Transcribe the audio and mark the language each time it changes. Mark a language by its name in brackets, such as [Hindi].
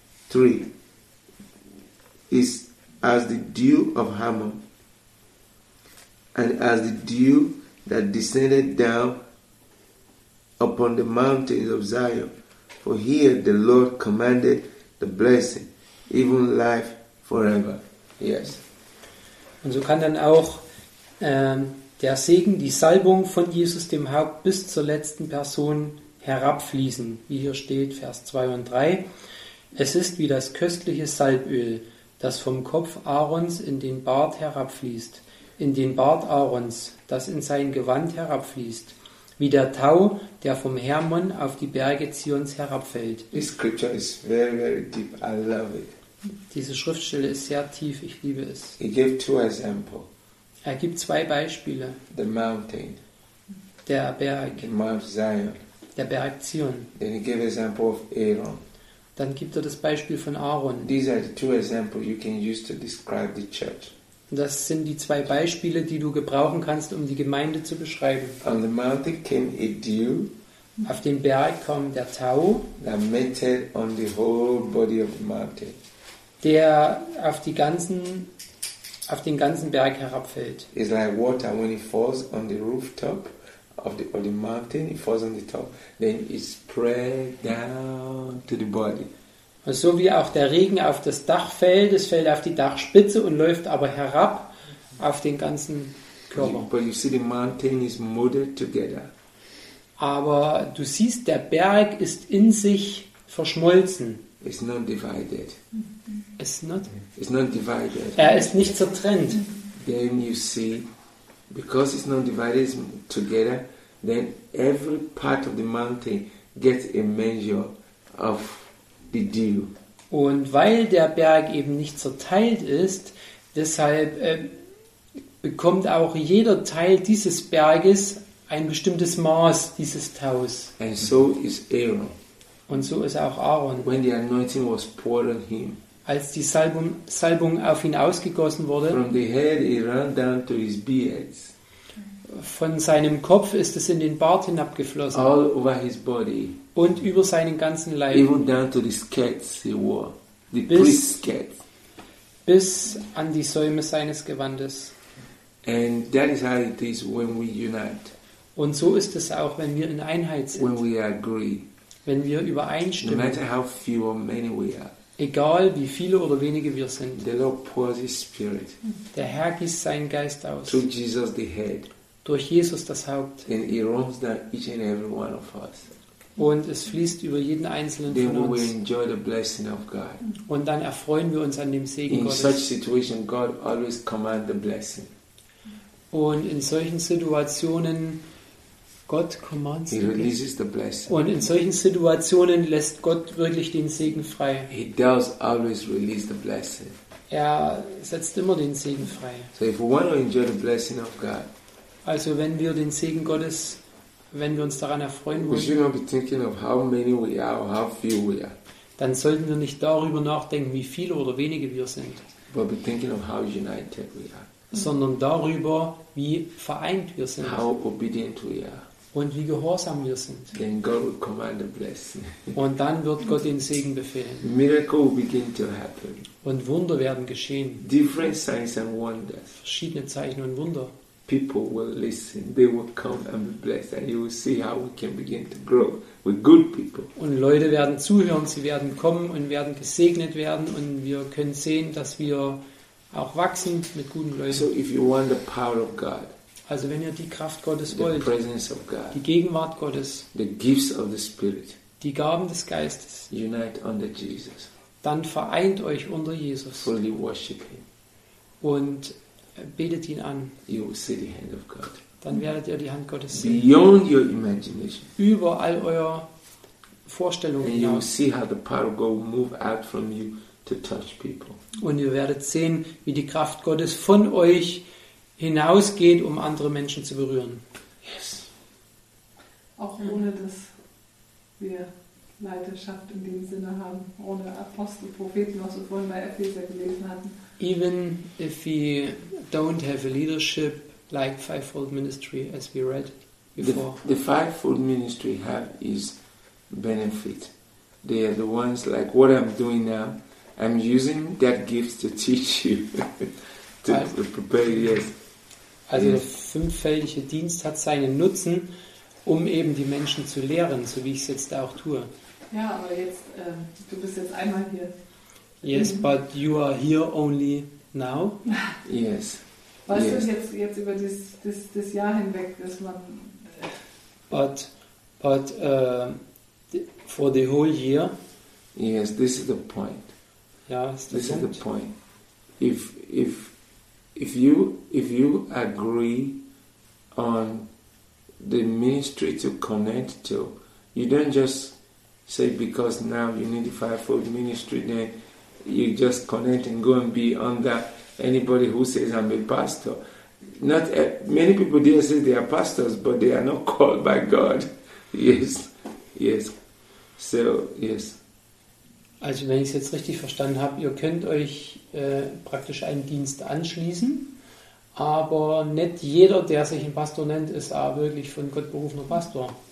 [English] 3, is as the dew of Hermon, and as the dew that descended down upon the mountains of Zion. For here the Lord commanded the blessing, even life forever. Yes. [German] Und so kann dann auch der Segen, die Salbung von Jesus dem Haupt bis zur letzten Person herabfließen. Wie hier steht, Vers 2 und 3. Es ist wie das köstliche Salböl, das vom Kopf Aarons in den Bart herabfließt, in den Bart Aarons, das in sein Gewand herabfließt, wie der Tau, der vom Hermon auf die Berge Zions herabfällt. [English] This scripture is very, very deep. I love it. [German] Diese Schriftstelle ist sehr tief. Ich liebe es. [English] He gave two examples. [German] Er gibt zwei Beispiele. [English] The mountain. [German] Der Berg. [English] Mount Zion. [German] Der Berg Zion. [English] Then he gave example of Aaron. [German] Dann gibt er das Beispiel von Aaron. [English] These are the two examples you can use to describe the church. [German] Das sind die zwei Beispiele, die du gebrauchen kannst, um die Gemeinde zu beschreiben. [English] On the mountain came a dew. [German] Auf dem Berg kam der Tau. [English] That melted on the whole body of the mountain. [German] Der auf die ganzen auf den ganzen Berg herabfällt. [English] It's like water when it falls on the rooftop of the mountain, it falls on the top, then it spreads down to the body. [German] So wie auch der Regen auf das Dach fällt, es fällt auf die Dachspitze und läuft aber herab auf den ganzen Körper. [English] But you see the mountain is molded together. [German] Aber du siehst, der Berg ist in sich verschmolzen. [English] It's not divided. It's not divided. [German] Er ist nicht zertrennt. [English] Then you see, because it's not divided, it's together, then every part of the mountain gets a measure of the dew. [German] Und weil der Berg eben nicht zerteilt ist, deshalb bekommt auch jeder Teil dieses Berges ein bestimmtes Maß dieses Taus. [English] And so is Aaron. [German] Und so ist auch Aaron. [English] When the anointing was poured on him, [German] als die Salbung auf ihn ausgegossen wurde, [English] from the head it ran down to his beard. [German] Von seinem Kopf ist es in den Bart hinabgeflossen. [English] All over his body. [German] Und über seinen ganzen Leib. [English] Even down to the skirts he wore, the priest's skirts. [German] Bis an die Säume seines Gewandes. [English] And that is how it is when we unite. [German] Und so ist es auch, wenn wir in Einheit sind. [English] When we agree. [German] Wenn wir übereinstimmen. [English] No matter how few or many we are. [German] Egal, wie viele oder wenige wir sind. [English] The Lord pours his spirit. [German] Der Herr gießt seinen Geist aus. [English] Through Jesus the head. [German] Durch Jesus das Haupt. [English] And he runs down each and every one of us. [German] Und es fließt über jeden Einzelnen [English] then [German] von uns. [English] We enjoy the blessing of God. [German] Und dann erfreuen wir uns an dem Segen in Gottes. [English] In such situation, God always commands the blessing. [German] Und in solchen Situationen Gott commands [English] he releases the blessing. [German] Und in solchen Situationen lässt Gott wirklich den Segen frei. [English] He does always release the blessing. [German] Er setzt immer den Segen frei. [English] So if we want to enjoy the blessing of God, [German] also wenn wir den Segen Gottes, wenn wir uns daran erfreuen wollen, [English] we should not be thinking of how many we are or how few we are. [German] Dann sollten wir nicht darüber nachdenken, wie viele oder wenige wir sind. [English] But be thinking of how united we are. [German] Sondern darüber, wie vereint wir sind. [English] How obedient we are. [German] Und wie gehorsam wir sind. [English] Then God will command the blessing. [German] Und dann wird Gott den Segen befehlen. [English] Miracle will begin to happen. [German] Und Wunder werden geschehen. [English] Different signs and wonders. [German] Verschiedene Zeichen und Wunder. [English] People will listen. They will come and be blessed. And you will see how we can begin to grow with good people. [German] Und Leute werden zuhören. Sie werden kommen und werden gesegnet werden. Und wir können sehen, dass wir auch wachsen mit guten Leuten. [English] So if you want the power of God, [German] also wenn ihr die Kraft Gottes wollt, [English] the presence of God, [German] die Gegenwart Gottes, [English] the gifts of the Spirit, [German] die Gaben des Geistes, [English] unite under Jesus, [German] dann vereint euch unter Jesus, [English] fully worship him, [German] und betet ihn an, [English] you will see the hand of God, [German] dann werdet ihr die Hand Gottes sehen, [English] beyond your imagination, [German] über all eure Vorstellungen hinaus, [English] and you will see how the power of God will move out from you to touch people. [German] Und ihr werdet sehen, wie die Kraft Gottes von euch hinausgeht, um andere Menschen zu berühren. [English] Yes. [German] Auch ohne, dass wir Leiterschaft in dem Sinne haben, ohne Apostel, Propheten, was wir vorhin bei Epheser gelesen hatten. [English] Even if we don't have a leadership like fivefold ministry, as we read before. The fivefold ministry have is benefit. They are the ones like what I'm doing now. I'm using that gift to teach you, to also, prepare you, yes. [German] Also der fünffältige Dienst hat seinen Nutzen, um eben die Menschen zu lehren, so wie ich es jetzt auch tue. Ja, aber jetzt, du bist jetzt einmal hier. [English] Yes, but you are here only now. Yes. [German] Was ist yes. jetzt über das Jahr hinweg, dass man... [English] But for the whole year... Yes, this is the point. [German] Ja, [English] this is the point. If you agree on the ministry to connect to, you don't just say because now you need the fivefold ministry, then you just connect and go and be under anybody who says I'm a pastor. Not many people there say they are pastors, but they are not called by God. Yes, yes. So yes. [German] Also wenn ich es jetzt richtig verstanden habe, ihr könnt euch praktisch einen Dienst anschließen, aber nicht jeder, der sich ein Pastor nennt, ist auch wirklich von Gott berufener Pastor.